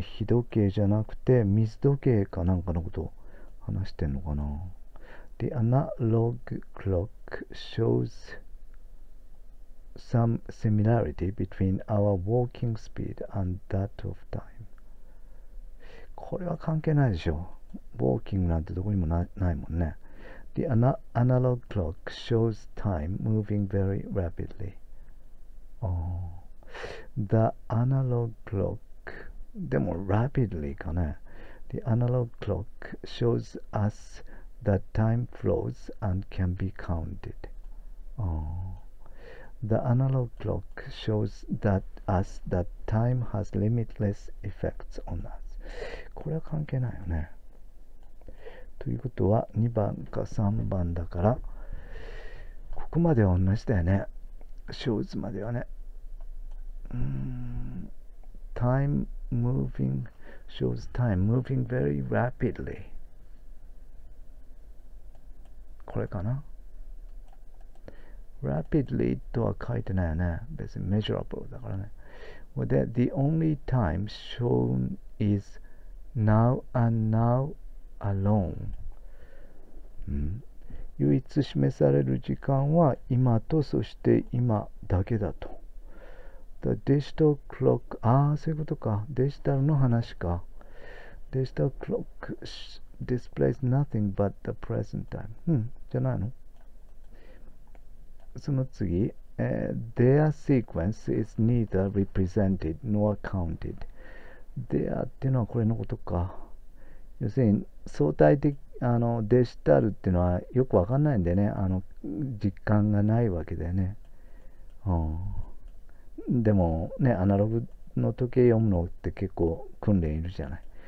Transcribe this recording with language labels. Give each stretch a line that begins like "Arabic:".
Japanese: 日時計じゃなくて、水時計かなんかのことを話してんのかな？
English: The analog clock shows some similarity between our walking speed and that of time.
Japanese: これは関係ないでしょ。ウォーキングなんてどこにもないもんね。
English: The analog clock shows time moving very rapidly. The analog clock
Japanese: でも
English: rapidly かね。 The analog clock shows us that time flows and can be counted. The analog clock shows that us that time has limitless effects on us.
Japanese: これは関係ないよね。ということは2番か3番だから、ここまでは同じだよね。
English: shows
Japanese: まではね。
English: Shows time moving very rapidly.
Japanese: これかな。rapidly とは書いてないよね。別に measurable だからね。
English: Well, that the only time shown is now and now alone.
Japanese: 唯一示される時間は今と、そして今だけだと。
English: The digital clock、
Japanese: ああ、そういうことか。デジタルの話か。
English: Digital clock displays nothing but the present time.
Japanese: じゃないの？その次、
English: their sequence is neither represented nor counted.
Japanese: their っていうのはこれのことか。要するに、相対的、デジタルっていうのはよくわかんないんでね。実感がないわけだよね。でもね、アナログの時計読むのって結構訓練いるじゃない。